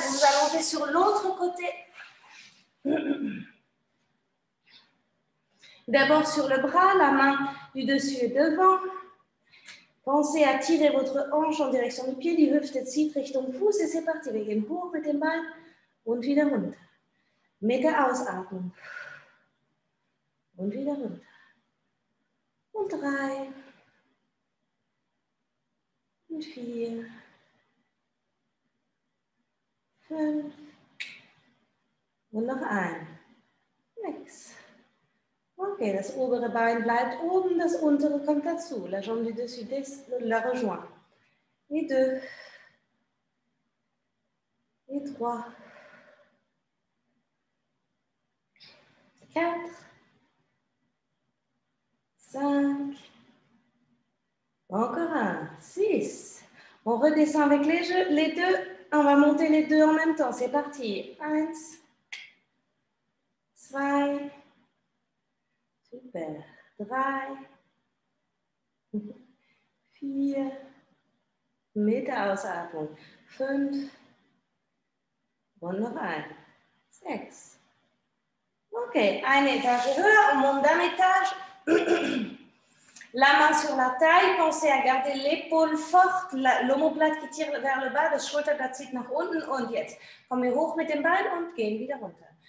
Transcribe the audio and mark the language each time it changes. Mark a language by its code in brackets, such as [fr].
[fr] Vous allongez sur l'autre côté. D'abord sur le bras, la main du dessus et devant. Pensez à tirer votre hanche en direction du pied, [de] die Hüfte zieht Richtung Fuß [fr] et c'est parti. [de] Wir gehen hoch mit dem Ball und wieder runter. Mit der Ausatmung. Und wieder runter. Und drei. Und vier. Fünf. Und noch ein. Sechs. Okay, das obere Bein bleibt oben, das untere kommt dazu. [fr] La jambe du dessus la rejoint. Et deux. Et trois. Quatre. Cinq. Encore un. Six. On redescend avec les deux. On va monter les deux en même temps. C'est parti. Un. [de] Zwei. Super. Drei. Vier. Mit der Ausatmung. Fünf. Und noch ein. Sechs. [fr] Ok, un étage höher, on monte d'un étage. La main sur la taille, pensez à garder l'épaule forte, l'omoplate qui tire vers le bas, [de] das Schulterblatt zieht nach unten. Und jetzt, kommen wir hoch mit dem Bein und gehen wieder runter.